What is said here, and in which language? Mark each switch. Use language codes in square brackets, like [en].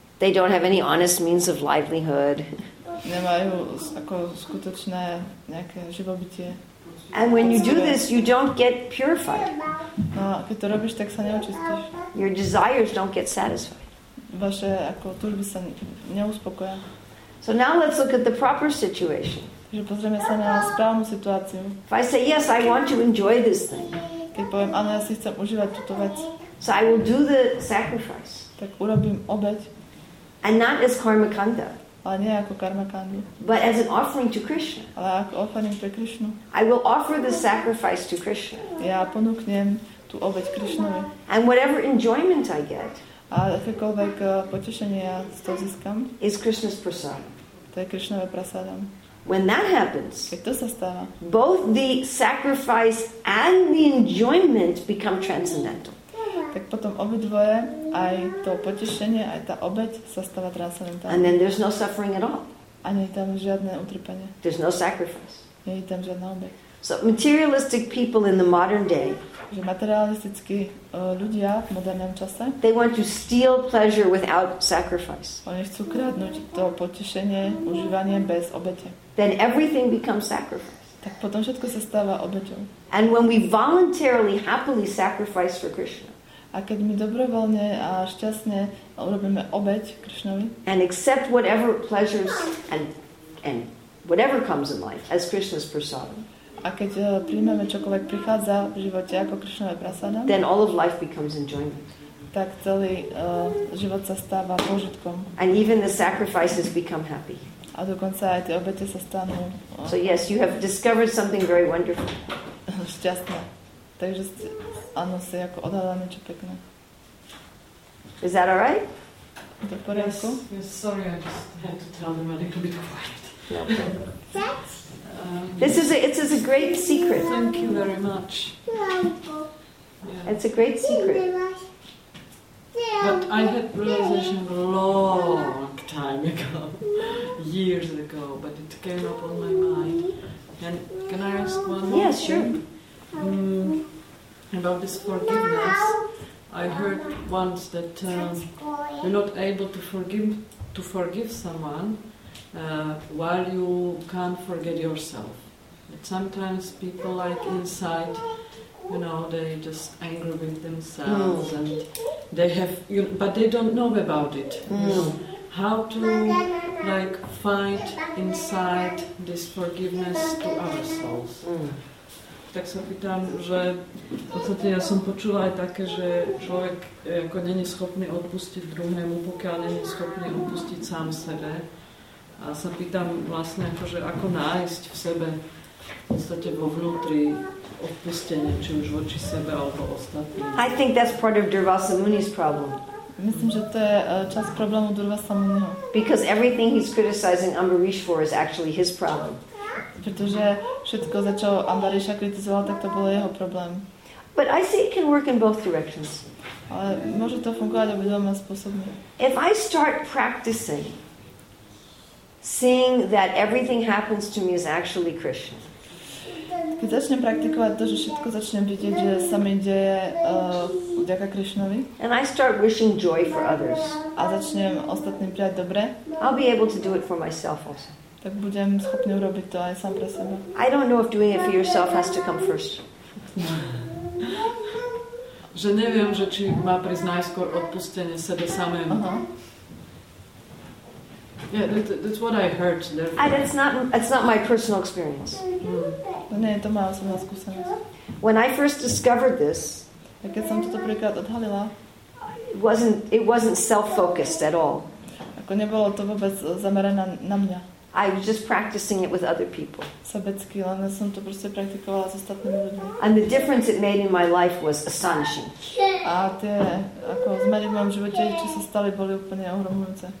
[en] They don't have any honest means of livelihood. [sk] Nemajú ako skutočné nejaké živobytie. [en] And when you do this, you don't get purified. [sk] No, keď to robíš, tak sa neočistíš. [en] Your desires don't get satisfied. [sk] Vaše ako túžby sa neuspokoja. [en] So now let's look at the proper situation. [sk] Takže pozrieme sa na správnu situáciu. [en] If I say yes, I want to enjoy this thing. [sk] Keď poviem, áno, ja si chcem užívať túto vec. [en] So I will do the sacrifice. [sk] Tak urobím obeť. [en] And not as karmakanda. [sk] Ale nie ako karmakandu. [en] But as an offering to Krishna. [sk] Ale ako offering pre Krishnu. [en] I will offer the sacrifice to Krishna. [sk] Ja ponúknem tú obeť Krishnovi. [en] And whatever enjoyment I get. [sk] A akékoľvek potešenie ja z toho získam. [en] Is Krishna's prasadam. [sk] To je Krishnove prasadam. [en] When that happens. [sk] Keď to sa stáva. [en] Both the sacrifice and the enjoyment become transcendental. [sk] Tak potom obidvoje, aj to potešenie, aj tá obeť sa stáva transcendentálna. [en] And then there's no suffering at all. [sk] A nie je tam žiadne utrpenie. [en] There's no sacrifice. [sk] Nie je tam žiadna obeť. [en] So materialistic people in the modern day, [sk] že materialistickí ľudia v modernom čase, [en] they want to steal pleasure without sacrifice. [sk] Oni chcú kradnúť to potešenie, užívanie bez obete. [en] Then everything becomes sacrifice. [sk] Tak potom všetko sa stáva obeťou. [en] And when we voluntarily, happily sacrifice for Krishna, [sk] A keď my dobrovoľne a šťastne urobíme obeť Krišnovi. [en] And accept whatever pleasures and whatever comes in life as Krishna's prasada. [sk] A keď prijmeme čokoľvek prichádza v živote ako Krišnova prasada. [en] Then all of life becomes enjoyment. [sk] Tak celý život sa stáva požitkom. [en] And even the sacrifices become happy. [sk] A dokonca aj tie obete sa stanú. [en] So yes, you have discovered something very wonderful. [sk] Šťastné. Takže ano, si ako odhadla niečo pekné. [en] Is that all right? [sk] Do poriadku? [en] Yes, sorry, I just had to tell them a little bit quiet. This is a great secret. Thank you very much. Yeah. It's a great secret. But I had realization a long time ago, years ago, but it came up on my mind. And can I ask one more? Yeah, sure. About this forgiveness, I heard once that you're not able to forgive someone while you can't forget yourself. But sometimes people like inside, you know, they just angry with themselves and they have, you know, but they don't know about it. How to like fight inside this forgiveness to other souls? [sk] Tak sa pýtam, že v podstate ja som počula aj také, že človek ako není schopný odpustiť druhému, pokiaľ není schopný odpustiť sám sebe. A sa pýtam vlastne, akože ako nájsť v sebe, v podstate vo vnútri, odpustenie, či už voči sebe alebo ostatným. [en] I think that's part of Durvasa Muni's problem. [sk] Myslím, že to je časť problému Durvasa Muniho. [en] Because everything he's criticizing Ambarish for is actually his problem. [sk] Pretože všetko, za čo Ambarisha kritizoval, tak to bolo jeho problém. [en] But I see it can work in both directions. [sk] Ale môže to fungovať obi dvoma spôsobmi. [en] If I start practicing seeing that everything happens to me is actually Krishna. [sk] Keď začnem praktikovať to, že všetko začnem vidieť, že sa mi deje vďaka Krišnovi. [en] And I start wishing joy for others. [sk] A začnem ostatným prijať dobre. [en] I'll be able to do it for myself also. [sk] Tak budem schopný urobiť to aj sám pre seba. [en] I don't know if doing it for yourself has to come first. [sk] Že neviem, že či má prísť najskôr odpustenie sebe samému. [en] Yeah, that's what I heard. And it's not my personal experience. [sk] To nie je to moja osobná skúsenosť. [en] When I first discovered this, [sk] keď som toto prvýkrát odhalila, [en] it wasn't self-focused at all. [sk] Ako nebolo to vôbec zamerané na mňa. [en] I was just practicing it with other people. [sk] Sebecky, len ja som to proste praktikovala s ostatnými ľuďmi. [en] And the difference it made in my life was astonishing. [sk] A tie, ako zmeny v mojom živote, čo sa stali, boli úplne ohromujúce.